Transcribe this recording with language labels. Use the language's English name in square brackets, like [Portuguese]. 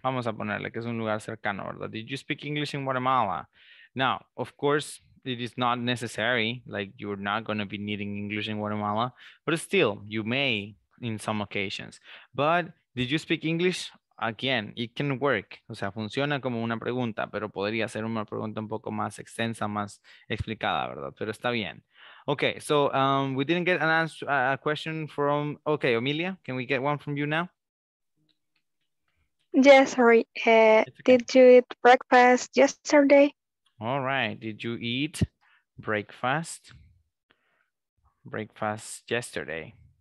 [Spanish] Vamos a ponerle que es un lugar cercano, ¿verdad? [English] Did you speak English in Guatemala? Now, of course, it is not necessary, like you're not going to be needing English in Guatemala, but still, you may in some occasions. But did you speak English? Again, it can work. [Spanish] O sea, funciona como una pregunta, pero podría ser una pregunta un poco más extensa, más explicada, ¿verdad? Pero está bien. [English] Okay, so we didn't get an answer, a question from... Okay, Emilia, can we get one from you now? Yes, sorry. Did you eat breakfast yesterday? All right, did you eat breakfast? Breakfast yesterday.